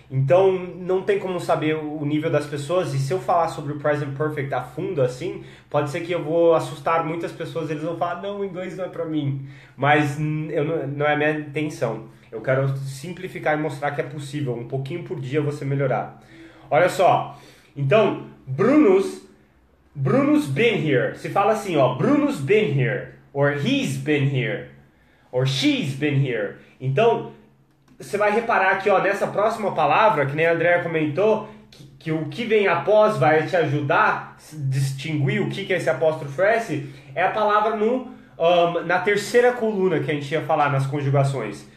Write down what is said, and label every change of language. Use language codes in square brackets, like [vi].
[pt] Então, não tem como saber o nível das pessoas. E se eu falar sobre o Present Perfect a fundo assim, pode ser que eu vou assustar muitas pessoas. Eles vão falar: não, o inglês não é para mim. Mas não é a minha intenção. Eu quero simplificar e mostrar que é possível, um pouquinho por dia, você melhorar. Olha só. Então, [en] Bruno's been here. [pt] Se fala assim, ó: [en] Bruno's been here. Or he's been here. Or she's been here. [pt] Então, você vai reparar aqui, ó, nessa próxima palavra, que nem a Andrea comentou, que o que vem após vai te ajudar a distinguir o que é esse apóstrofo S, é a palavra no, na terceira coluna que a gente ia falar nas conjugações.